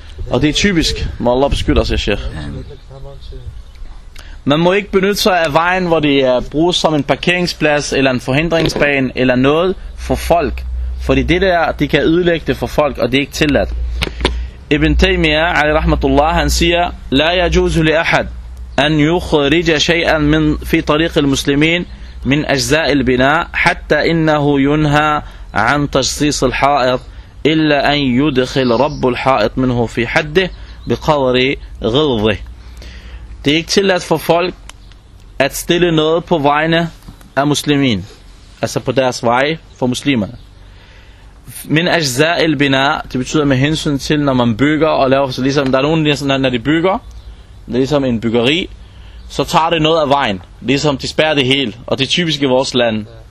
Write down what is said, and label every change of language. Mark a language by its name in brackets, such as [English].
[Danish] Og det er typisk, må Allah beskytte os, jeg siger. Man må ikke benytte sig af vejen, hvor det bruges som en parkeringsplads, eller en forhindringsbane, eller noget for folk. Fordi det der, de kan ødelægge det for folk, og det er ikke tilladt. [Arabic] Ibn Taymiyyah, alayhi rahmatullah, [Danish] han siger, [Arabic] لا يجوز لأحد أن يخرج شيئا من في طريق المسلمين من أجزاء البناء حتى إنه ينهى عن تجصيص الحائط إلا أن يدخل رب الحائط منه في حده بقدر غلظه. [Danish] Det er ikke tilladt for folk at stille noget på vegne af muslimin, altså på deres vej for muslimerne. [Arabic] Min ajza el bina, [Danish] det betyder med hensyn til, når man bygger og laver, så ligesom der er nogen, når de bygger, det er ligesom en byggeri, så tager det noget af vejen, ligesom de spærrer det hele, og det er typisk i vores land.